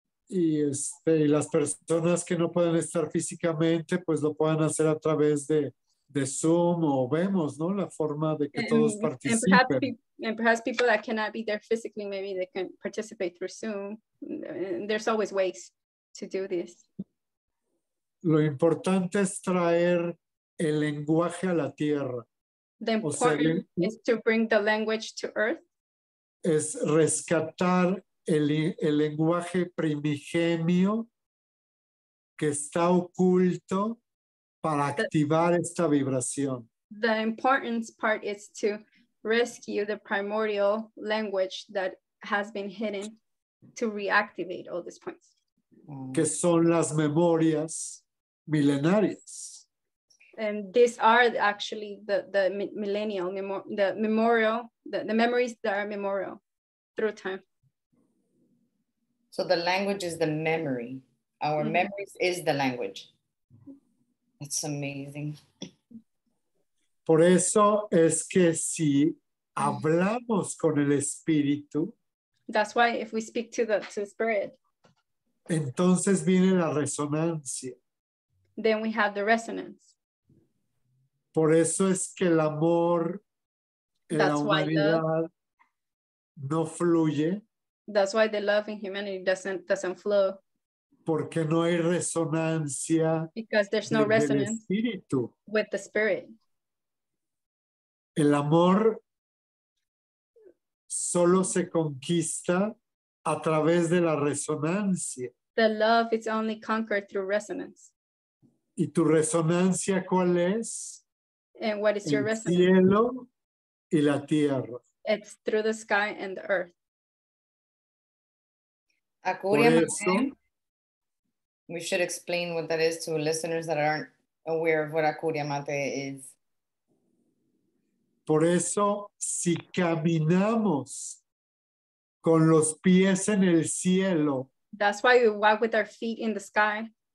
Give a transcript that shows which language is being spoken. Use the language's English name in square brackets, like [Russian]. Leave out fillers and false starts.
[Spanish] Y las personas que no pueden estar físicamente, pues lo puedan hacer a través de Zoom o vemos, ¿no? La forma de que todos participen. [English] And perhaps people that cannot be there physically, maybe they can participate through Zoom. There's always ways to do this. [Spanish] Lo importante es traer el lenguaje a la tierra. [English] The important is to bring the language to earth. [Spanish] Es rescatar el lenguaje primigenio que está oculto para activar esta vibración. [English] The important part is to rescue the primordial language that has been hidden to reactivate all these points. [Spanish] Que son las memorias milenarias. [English] And these are actually the memories that are memorial through time. So the language is the memory. Our memories is the language. That's amazing. [Spanish] Por eso es que si hablamos con el espíritu. [English] That's why if we speak to the spirit. [Spanish] Entonces viene la resonancia. [English] Then we have the resonance. [Spanish] Por eso es que el amor en la humanidad no fluye. [English] That's why the love in humanity doesn't flow. [Spanish] Porque no hay resonancia. [English] Because there's no resonance with the spirit. [Spanish] El amor solo se conquista a través de la resonancia. [English] The love is only conquered through resonance. [Spanish] ¿Y tu resonancia cuál es? [English] And what is [Spanish] el [English] your resonance? [Spanish] El cielo y la tierra. [English] It's through the sky and the earth. A Curia Mate, we should explain what that is to listeners that aren't aware of what a Curia Mate is. [Spanish] Por eso, si caminamos con los pies en el cielo. [English] That's why we walk with our feet in the sky.